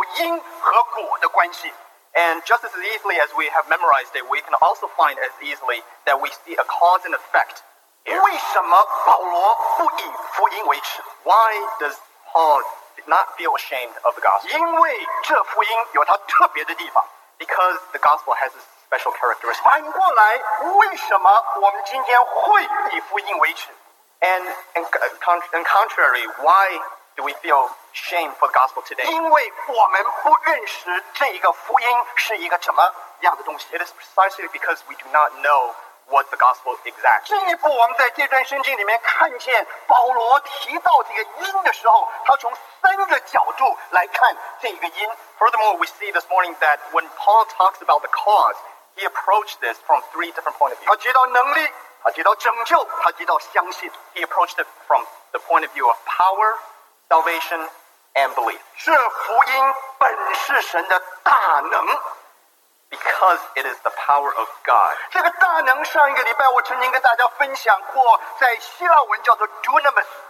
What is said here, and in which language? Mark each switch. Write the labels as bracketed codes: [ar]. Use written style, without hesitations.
[zh] 所以这节我们今天都会背的圣经，我们很明显发现这节圣经有因和果的关系。 [en] And just as easily as we have memorized it, we can also find as easily that we see a cause and effect here. [zh] 为什么保罗不以福音为耻? [en] Why does Paul not feel ashamed of the gospel? [zh] 因为这福音有它特别的地方。 [en] Because the gospel has this special characteristics. And contrary, why do we feel shame for the gospel today? It is precisely because we do not know what the gospel exactly. [zh] 进一步我们在这段圣经里面看见保罗提到这个因的时候，他从三个角度来看这一个因。 [en] Furthermore, we see this morning that when Paul talks about the cause, he approached this from three different points of view. [zh] 他提到能力，他提到拯救，他提到相信。 [en] He approached it from the point of view of power, salvation, and belief. [zh] 这福音本是神的大能。 [en] Because it is the power of God. [zh] 这个大能上一个礼拜我曾经跟大家分享过，在希腊文叫做dunamis.